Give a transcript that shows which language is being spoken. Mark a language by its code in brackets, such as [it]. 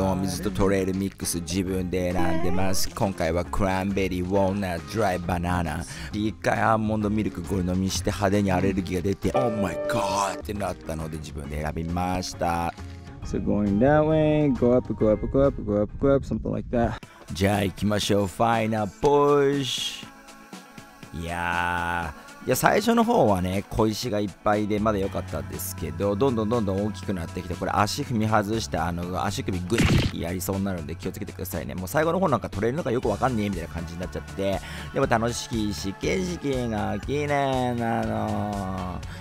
[ja] お水とトレイルミックス自分で選んでます。今回はクランベリー、ウォーナー、ドライバナナ。一回アーモンドミルクゴリ飲みして派手にアレルギーが出て [en] Oh my god [ja] ってなったので自分で選びました。 [en] So going that way, go up, go up, go up, go up, go up, something like that. [ja] じゃあ行きましょう。 [en] Final push. [ja] いやー、いや最初の方はね、小石がいっぱいでまだ良かったんですけど、どんどんどんどん大きくなってきて、これ足踏み外して、あの足首グイッやりそうになるんで気をつけてくださいね。もう最後の方なんか取れるのかよくわかんねえみたいな感じになっちゃって、でも楽しいし景色が綺麗なの。